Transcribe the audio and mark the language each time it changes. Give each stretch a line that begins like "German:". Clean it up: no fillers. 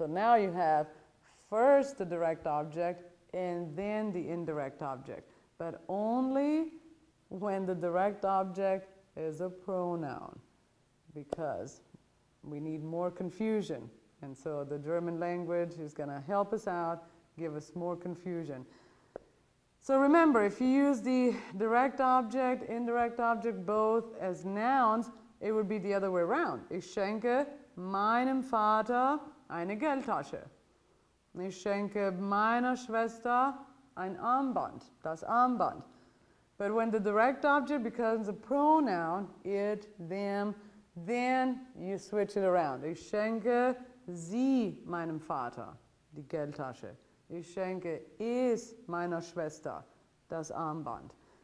English: So now you have first the direct object and then the indirect object, but only when the direct object is a pronoun, because we need more confusion. And so the German language is going to help us out, give us more confusion. So remember, if you use the direct object, indirect object, both as nouns, it would be the other way around.
German: Ich schenke meinem Vater eine Geldtasche. Ich schenke meiner Schwester ein Armband, das Armband.
English: But when the direct object becomes a pronoun, it, them, then you switch it around.
German: Ich schenke sie meinem Vater, die Geldtasche. Ich schenke es meiner Schwester, das Armband.